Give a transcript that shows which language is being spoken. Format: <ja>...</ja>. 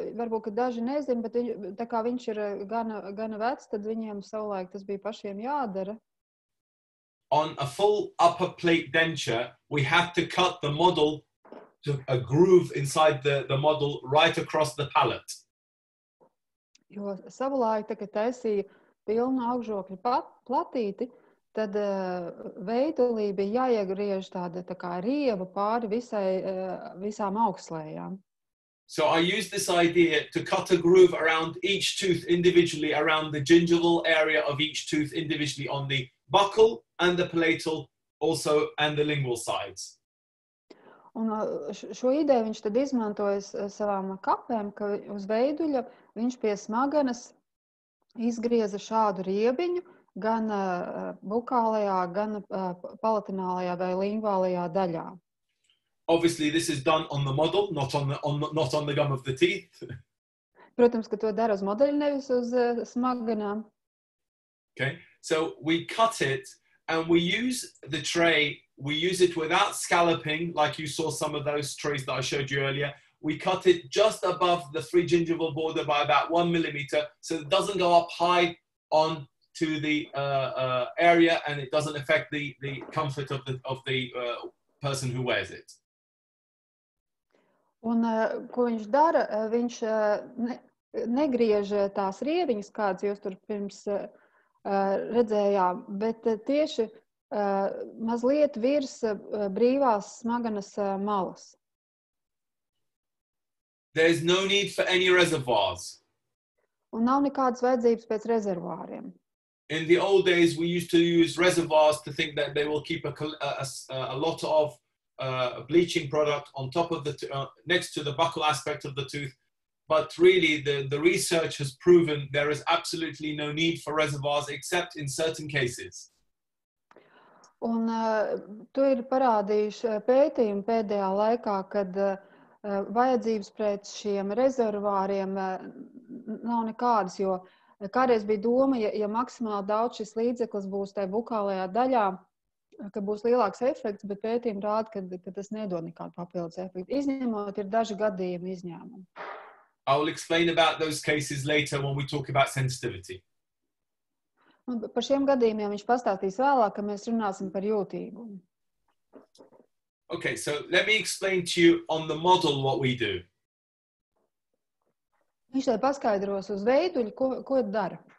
<lv>Varbūt, ka daži nezin, bet viņ, tā kā viņš ir gana vec, tad viņiem savulaik tas bija pašiem jādara.</lv> <en>On a full upper plate denture, we have to cut the model to a groove inside the model right across the palate.</en> <lv>Jo savulaik, tā kā taisīja pilnu augžokļu platīti, tad veidulī bija jāiegriež tāda tā kā rieva pāri visai, visām augslējām.</lv> <en>So I used this idea to cut a groove around each tooth individually, around the gingival area of each tooth individually on the buccal and the palatal also and the lingual sides.</en> <lv>Un šo ideju viņš tad izmantoja savām kapēm, ka uz veiduļa viņš pie smaganas izgrieza šādu riebiņu, gan bukālajā, gan palatinālajā vai lingvālajā daļā.</lv> <en>Obviously this is done on the model, not on the gum of the teeth.</en> <lv>Protams, ka to dara uz modeļa, nevis uz smaganām. Okay.</lv> <en>So we cut it and we use the tray, we use it without scalloping like you saw some of those trays that I showed you earlier. We cut it just above the free gingival border by about 1 millimeter, so it doesn't go up high on to the area and it doesn't affect the comfort of the person who wears it.</en> <lv>Un ko viņš dara, viņš negriež tās rieviņas, kādas jūs tur pirms redzējām, bet tieši mazliet virs brīvās smaganas malas.</lv> <en>There's no need for any reservoirs.</en> <lv>Un nav nekādas vajadzības pēc rezervāriem.</lv> <en>In the old days, we used to use reservoirs to think that they will keep a lot of bleaching product on top of the next to the buccal aspect of the tooth. But really, the research has proven there is absolutely no need for reservoirs except in certain cases.</en> <lv>Un tu ir parādījuši pētījumu pēdējā laikā, kad vajadzības pret šiem rezervāriem nav nekādas, jo kādreiz bija doma, ja maksimāli daudz šis līdzeklis būs tajā bukālajā daļā, ka būs lielāks efekts, bet pētījumi rāda, ka tas nedod nekādu papildus efektu. Izņemot, ir daži gadījumi izņēmumi.</lv> <en>I'll explain about those cases later when we talk about sensitivity.</en> <lv>Par šiem gadījumiem viņš pastāstīs vēlāk, ka mēs runāsim par jūtīgumu.</lv> <en>Okay, so let me explain to you on the model what we do.</en> <lv>Viņš lai paskaidros uz veidu, ko dara.</lv>